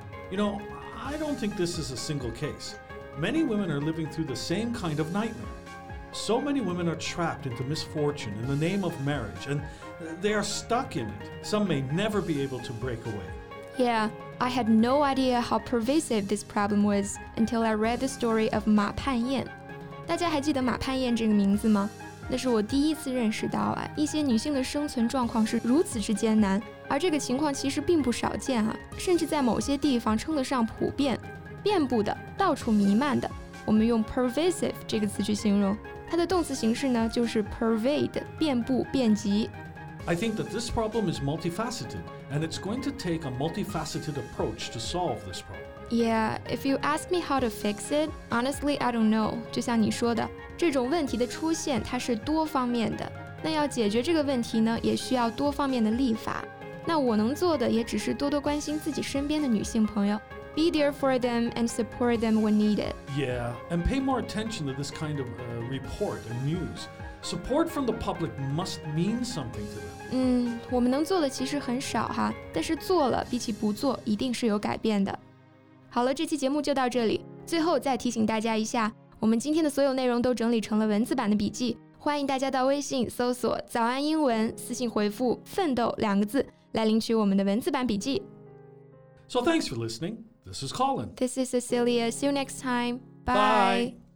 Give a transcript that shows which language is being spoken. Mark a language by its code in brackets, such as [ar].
[en] You know, I don't think this is a single case. Many women are living through the same kind of nightmare. So many women are trapped into misfortune in the name of marriage, and they are stuck in it. Some may never be able to break away. Yeah, I had no idea how pervasive this problem was until I read the story of Ma Pan Yan. [zh] 大家还记得马盼燕这个名字吗？那是我第一次认识到啊，一些女性的生存状况是如此之艰难，而这个情况其实并不少见啊，甚至在某些地方称得上普遍，遍布的，到处弥漫的。我们用 pervasive 这个词去形容，它的动词形式呢就是 pervade, 遍布、遍及。 [en] I think that this problem is multifaceted, and it's going to take a multifaceted approach to solve this problem. Yeah, if you ask me how to fix it, honestly, I don't know. [zh] 就像你说的，这种问题的出现它是多方面的，那要解决这个问题呢，也需要多方面的立法。那我能做的也只是多多关心自己身边的女性朋友。 [en] Be there for them and support them when needed. Yeah, and pay more attention to this kind of report and news. Support from the public must mean something to them. [zh] 我们能做的其实很少哈，但是做了比起不做一定是有改变的。好了，这期节目就到这里。最后再提醒大家一下，我们今天的所有内容都整理成了文字版的笔记，欢迎大家到微信搜索早安英文，私信回复奋斗两个字来领取我们的文字版笔记。 [en] So thanks for listening. This is Colin. This is Cecilia. See you next time. Bye. Bye.